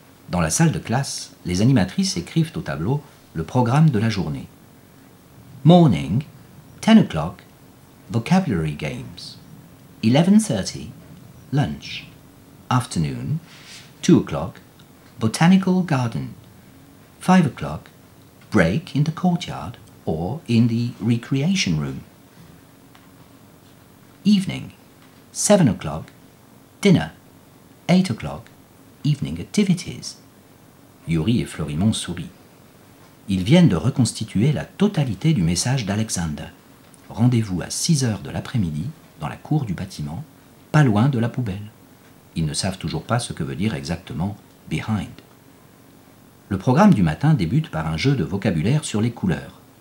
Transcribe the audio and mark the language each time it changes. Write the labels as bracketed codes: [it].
[fr] Dans la salle de classe, les animatrices écrivent au tableau le programme de la journée. [en] Morning, 10 o'clock, vocabulary games. 11:30, lunch. Afternoon, 2 o'clock, botanical garden. 5 o'clock, break in the courtyard or in the recreation room. Evening, 7 o'clock, dinner. 8 o'clock, evening activities. [fr] Yuri et Florimond sourient. Ils viennent de reconstituer la totalité du message d'Alexander. Rendez-vous à 6 heures de l'après-midi dans la cour du bâtiment, pas loin de la poubelle. Ils ne savent toujours pas ce que veut dire exactement « behind ». Le programme du matin débute par un jeu de vocabulaire sur les couleurs.